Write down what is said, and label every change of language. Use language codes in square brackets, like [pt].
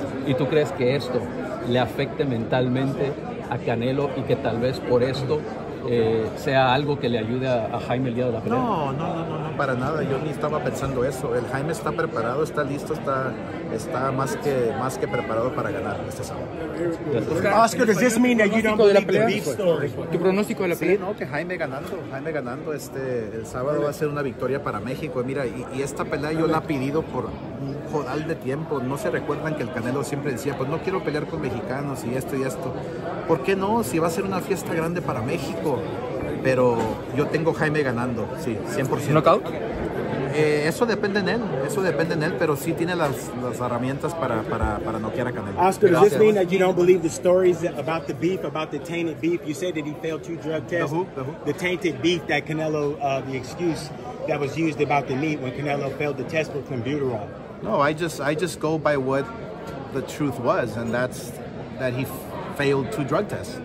[es] ¿Y tú crees que esto le afecte mentalmente a Canelo y que tal vez por esto sea algo que le ayude a Jaime el día de la pelea? No, para nada. Yo ni estaba pensando eso. El Jaime está preparado, está listo, está más que preparado para ganar este sábado. [en] Oscar, ¿does this mean that you don't believe the Beast? [es] ¿Tu pronóstico de la pelea? Sí, no, que Jaime ganando. El sábado va a ser una victoria para México. Mira, y esta pelea yo la he pedido por un jodal de tiempo. No se recuerdan que el Canelo siempre decía, pues no quiero pelear con mexicanos y esto y esto. ¿Por qué no? Si va a ser una fiesta grande para México. Pero yo tengo Jaime ganando, sí, 100%. [en] ¿Knockout? [es] Eso depende en él, pero sí tiene las herramientas para noquear a Canelo. Oscar, gracias. [en] Does this mean that you don't believe the stories about the beef, about the tainted beef? You said that he failed 2 drug tests. The tainted beef that Canelo, the excuse that was used about the meat when Canelo failed the test with clenbuterol. No, I just go by what the truth was, and that's that he failed 2 drug tests.